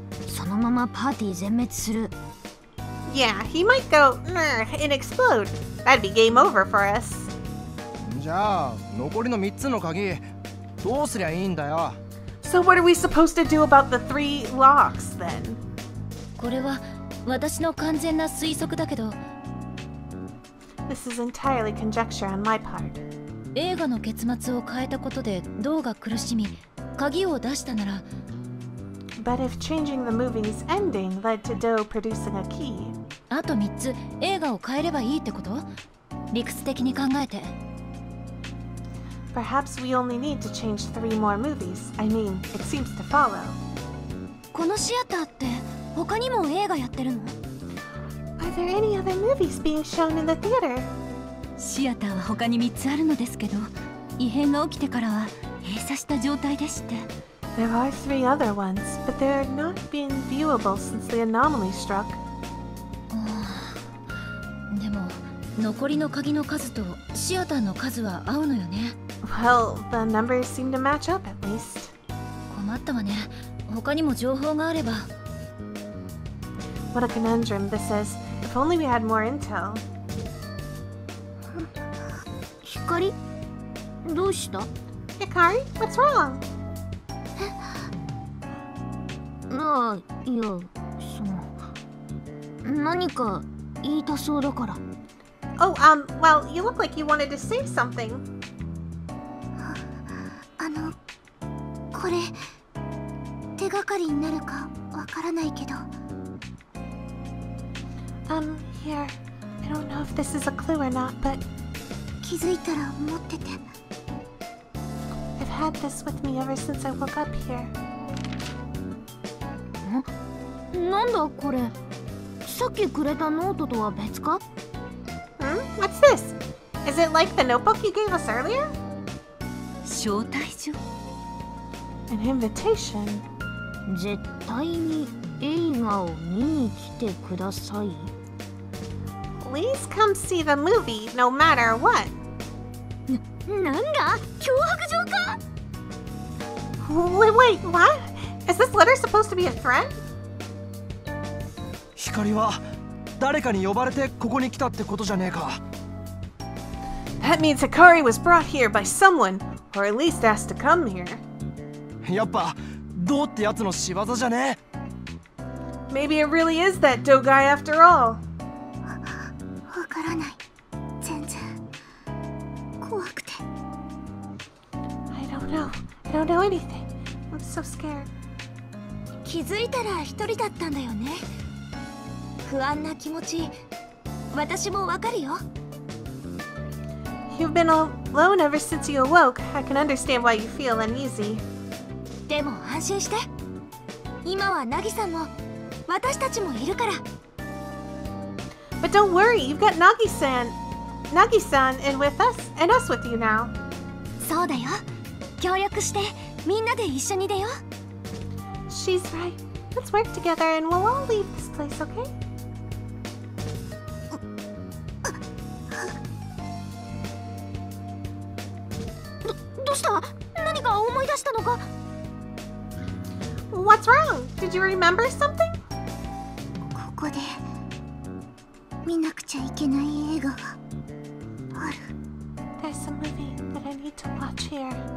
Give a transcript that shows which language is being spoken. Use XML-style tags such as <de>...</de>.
<ja>そのままパーティー全滅する。</ja> <en>Yeah, he might go, and explode. That'd be game over for us.</en> <ja>じゃあ、残りの3つの鍵、どうすりゃいいんだよ。</ja> <en>So what are we supposed to do about the three locks, then?</en> <ja>これは私の完全な推測だけど。</ja> <en>This is entirely conjecture on my part.</en> <ja>映画の結末を変えたことで、ドウが苦しみ、鍵を出したなら、</ja> <en>But if changing the movie's ending led to Doe producing a key.</en> <ja>あと3つ、映画を変えればいいってこと？理屈的に考えて。</ja> <en>Perhaps we only need to change three more movies. I mean, it seems to follow.</en> <ja>このシアターって他にも映画やってるの？</ja> <en>Are there any other movies being shown in the theater?</en> <ja>シアターは他に3つあるのですけど、異変が起きてからは閉鎖した状態でして。</ja> <en>There are three other ones, but they're not being viewable since the anomaly struck.</en> <ja>でも、残りの鍵の数とシアターの数は合うのよね。</ja> <en>Well, the numbers seem to match up at least.</en> <ja>困ったわね。他にも情報があれば。</ja> <en>What a conundrum this is. If only we had more intel.</en> <ja>光？どうした？</ja> <en>Hikari, what's wrong?</en> <ja>いや、その、何か言いたそうだから。</ja> <en>Well, you look like you wanted to say something.</en> <ja>これ、手がかりになるかわからないけど。</ja> <en>Here. I don't know if this is a clue or not, but...</en> <ja>気づいたら持ってて。</ja> <en>I've had this with me ever since I woke up here.</en> <ja>なんだこれ、さっきくれたノートとは別か？</ja> <en>What's this? Is it like the notebook you gave us earlier?</en> <ja>招待状。</ja> <en>An invitation?</en> <ja>絶対に映画を見に来てください。</ja> <en>Please come see the movie no matter what.</en> <ja>なんだ脅迫状か？</ja> <en>Wait, what? Is this letter supposed to be a threat?</en> <ja>光は誰かに呼ばれてここに来たってことじゃねえか。</ja> <en>That means Hikari was brought here by someone, or at least asked to come here.</en> <ja>やっぱ、ドウってやつの仕業じゃねえ。</ja> <en>Maybe it really is that Doe guy after all.</en> <ja>わからない。全然。怖くて。</ja> <en>I don't know. I don't know anything. I'm so scared.</en> <ja>気づいたら一人だったんだよね。不安な気持ち、私もわかるよ。</ja> <en>You've been alone ever since you awoke. I can understand why you feel uneasy.</en> <ja>でも安心して。今はナギさんも、私たちもいるから。</ja> <en>But don't worry, you've got Nagi-san. Nagi-san and with us, and us with you now.</en> <ja>そうだよ。協力して、みんなで一緒に出よう。</ja> <en>She's right. Let's work together and we'll all leave this place, okay?</en> <ja>何か思い出したのか？</ja> <en>What's wrong? Did you remember something?</en> <ja>ここで見なくちゃいけない映画がある。</ja> <en>There's a movie that I need to watch here.</en>